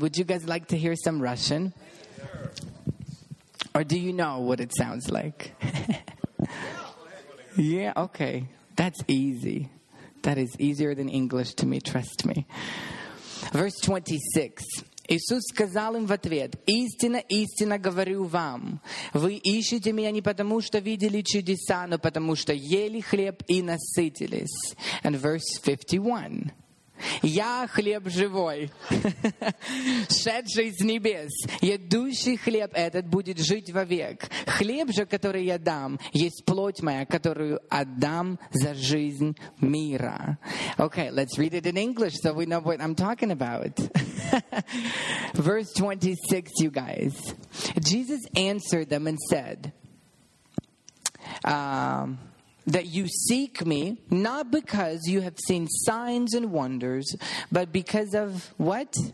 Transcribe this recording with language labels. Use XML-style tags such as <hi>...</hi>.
<en>Would you guys like to hear some Russian? Or do you know what it sounds like? Yeah, okay. That's easy. That is easier than English to me, trust me. Verse 26.</en> <ru>Иисус сказал им в ответ, «Истинно, истинно говорю вам, вы ищете меня не потому, что видели чудеса, но потому, что ели хлеб и насытились».</ru> <en>And verse 51.</en> <ru>Я хлеб живой, шедший с небес. Едущий хлеб этот будет жить вовек. Хлеб же, который я дам, есть плоть моя, которую отдам за жизнь мира.</ru> <en>Okay, let's read it in English so we know what I'm talking about. Verse 26, you guys. Jesus answered them and said, that you seek me, not because you have seen signs and wonders, but because of what?</en>